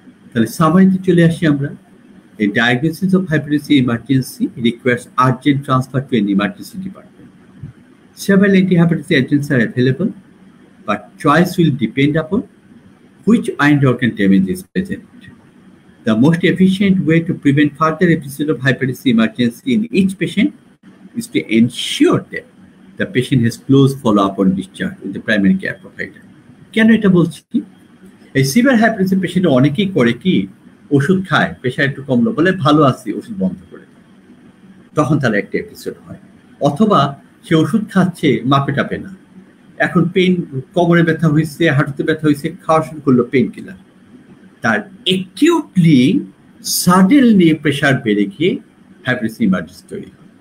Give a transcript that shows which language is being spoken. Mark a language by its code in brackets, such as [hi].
[bn] তাহলে সামাইতে চলে আসি আমরা, এই diagnosis of hypertensive emergency request urgent transfer to N emergency department. [en] Several anti hypertensive agents are available, but choice will depend upon which end organ damage is present. The most efficient way to prevent further episode of hypertensive emergency in each patient is to ensure that the patient has close follow-up on discharge with the primary care provider. [bn] কেন এটা বলছি, এই severe hypertension patient অনেকেই করে কি, ওষুধ খায়, pressure একটু কমলো বলে ভালো আছি, ওষুধ বন্ধ করে তখন তাহলে একটা এপিসোড হয়, অথবা সে ওষুধ খাচ্ছে মাপে টাপে না, এখন পেন কোমরে ব্যথা হয়েছে, হাঁটুতে ব্যথা হয়েছে, খাওয়া শুরু করলো পেন কিলার, তার অ্যাকিউটলি সাডেনলি প্রেশার বেড়ে গিয়ে হাইপারটেনশন ইমার্জেন্সি তৈরি হয়।